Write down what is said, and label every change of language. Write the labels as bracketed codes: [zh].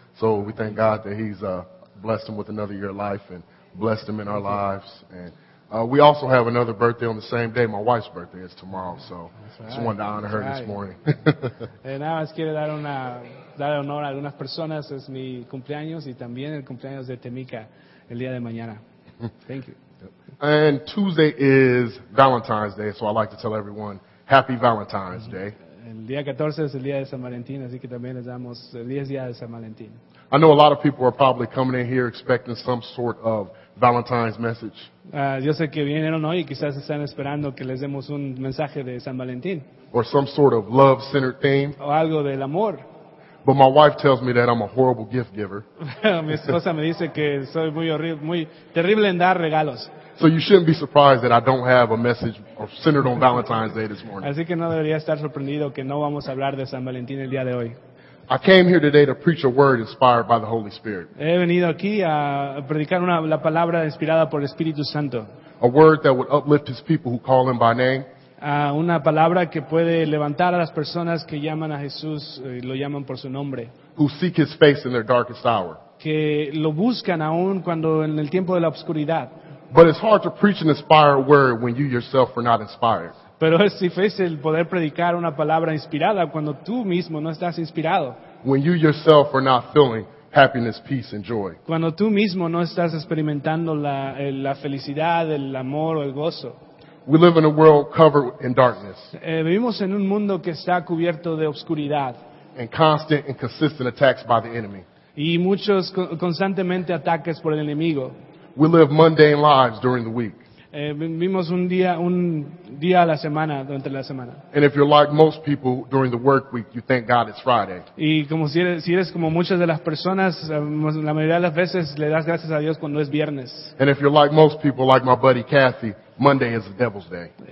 [en] So we thank God that he's blessed him with another year of life and blessed him in our lives. And we also have another birthday on the same day. My wife's birthday is tomorrow, so right. Just wanted to honor her this morning. [es] Y nada más quiero dar honor a algunas personas. Es mi cumpleaños y también el cumpleaños de Tamika el día de mañana. [en] Thank you. And Tuesday is Valentine's Day, so I'd like to tell everyone Happy Valentine's Day. [es] El día 14 es el día de San Valentín, así que también les damos el día de San Valentín. [en] I know a lot of people are probably coming in here expecting some sort of Valentine's message. [es] Yo sé que vinieron hoy y quizás están esperando que les demos un mensaje de San Valentín. [en] Or some sort of love-centered theme. [es] O algo del amor. [en] But my wife tells me that I'm a horrible gift giver. [es] Mi esposa me dice que soy muy horrible, muy terrible en dar regalos. [en] So you shouldn't be surprised that I don't have a message centered on Valentine's Day this morning. [es] Así que no debería estar sorprendido que no vamos a hablar de San Valentín el día de hoy. [en] I came here today to preach a word inspired by the Holy Spirit. [es] He venido aquí a predicar la palabra inspirada por el Espíritu Santo. [en] A word that would uplift his people who call him by name. [es] Una palabra que puede levantar a las personas que llaman a Jesús y lo llaman por su nombre. [en] Who seek his face in their darkest hour. [es] Que lo buscan aún cuando en el tiempo de la oscuridad. [en] But it's hard to preach an inspired word when you yourself are not inspired. [es] Pero es difícil poder predicar una palabra inspirada cuando tú mismo no estás inspirado. [en] When you yourself are not feeling happiness, peace, and joy. [es] Cuando tú mismo no estás experimentando la felicidad, el amor o el gozo. [en] We live in a world covered in darkness. [es] Vivimos en un mundo que está cubierto de oscuridad. [en] And constant and consistent attacks by the enemy. [es] Y muchos constantemente ataques por el enemigo. [en] We live mundane lives during the week. [es] Vivimos un día a la semana, durante la semana. [en] And if you're like most people during the work week, you thank God it's Friday. [es] Y como si eres como muchas de las personas, la mayoría de las veces le das gracias a Dios cuando es viernes. [en] And if you're like most people, like my buddy Kathy, Monday is the devil's day.